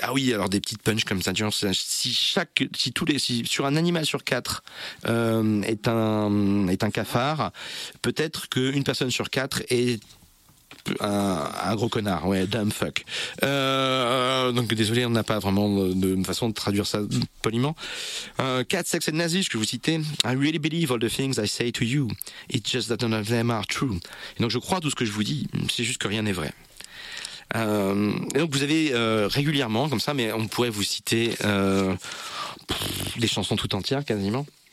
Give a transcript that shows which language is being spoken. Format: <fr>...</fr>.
<fr>Ah oui, alors des petites punches comme ça. Sur un animal sur quatre est un cafard, peut-être qu'une personne sur quatre est un gros connard. Ouais,</fr> <en>dumb fuck.</en> <fr>Donc désolé, on n'a pas vraiment de façon de traduire ça poliment. Cat, sex and nazis, que vous citez.</fr> <en>I really believe all the things I say to you. It's just that none of them are true.</en> <fr>Et donc je crois tout ce que je vous dis. C'est juste que rien n'est vrai. Et donc vous avez régulièrement comme ça, mais on pourrait vous citer des chansons tout entières quasiment.</fr>